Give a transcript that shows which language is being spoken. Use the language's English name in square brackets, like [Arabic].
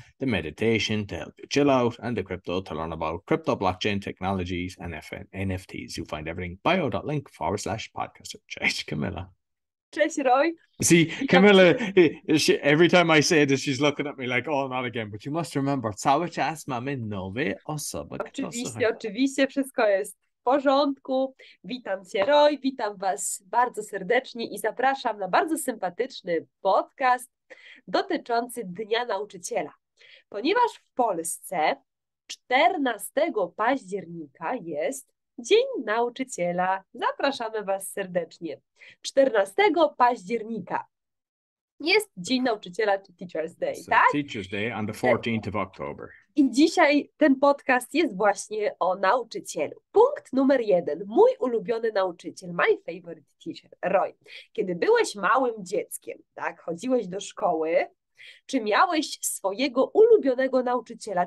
[English] The meditation to help you chill out. And the crypto to learn about crypto, blockchain technologies, and NFTs. You'll find everything bio.link/podcaster. [Polish] Cześć, Camilla. Cześć, Roy. [English] See, Camilla, every time I say this, she's looking at me like, oh, not again. But you must remember, [Polish] cały czas mamy nowe osoby. Oczywiście, oczywiście, wszystko jest w porządku. Witam Cię, Roy, witam Was bardzo serdecznie i zapraszam na bardzo sympatyczny podcast dotyczący Dnia Nauczyciela. Ponieważ w Polsce 14 października jest Dzień Nauczyciela. Zapraszamy Was serdecznie. 14 października jest Dzień Nauczyciela, czy Teacher's Day, so tak? [English] Teacher's Day on the 14th of October. [Polish] I dzisiaj ten podcast jest właśnie o nauczycielu. Punkt numer jeden. Mój ulubiony nauczyciel, [English] my favorite teacher, [Polish] Roy. Kiedy byłeś małym dzieckiem, tak, chodziłeś do szkoły, czy miałeś swojego ulubionego nauczyciela?